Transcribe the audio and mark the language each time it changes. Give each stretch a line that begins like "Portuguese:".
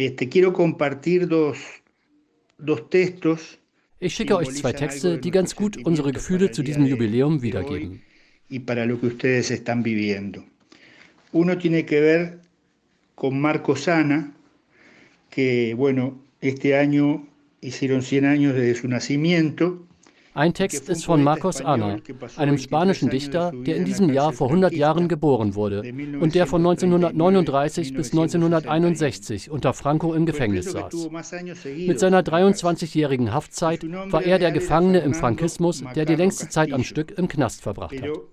Spanish: Quiero compartir dos textos.
German: Ich schicke euch zwei Texte, die ganz gut unsere Gefühle zu diesem Jubiläum wiedergeben.
Spanish: Y para lo que ustedes están viviendo. Uno tiene que ver con Marco Sana, que bueno, este año hicieron 100 años desde su nacimiento.
German: Ein Text ist von Marcos Ana, einem spanischen Dichter, der in diesem Jahr vor 100 Jahren geboren wurde und der von 1939 bis 1961 unter Franco im Gefängnis saß. Mit seiner 23-jährigen Haftzeit war er der Gefangene im Frankismus, der die längste Zeit am Stück im Knast verbracht hat.